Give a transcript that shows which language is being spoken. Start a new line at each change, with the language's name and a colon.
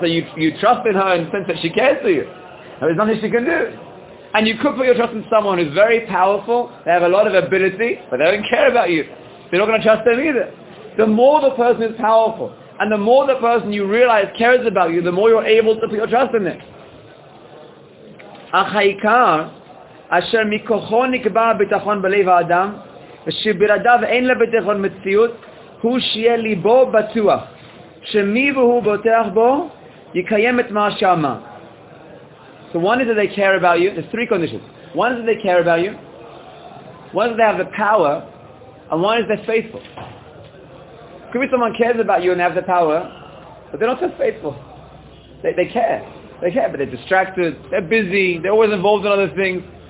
English: So you trust in her in the sense that she cares for you. There's nothing she can do. And you could put your trust in someone who's very powerful. They have a lot of ability, but they don't care about you. They're not going to trust them either. The more the person is powerful, and the more the person you realize cares about you, the more you're able to put your trust in them.
Hebrew: Achaikar, asher mikocho nikba bitachon b'leiv ha'adam, v'shibiradav ein lebitachon metziut, הוא שיהיה ליבו בטוח שמי והוא בוטח בו יקיים את מה שאמר.
English: So one is that they care about you. There's three conditions. One is that they care about you. One is that they have the power. And one is they're faithful. Could be someone cares about you and they have the power, but they're not so faithful. They care. They care, but they're distracted. They're busy. They're always involved in other things.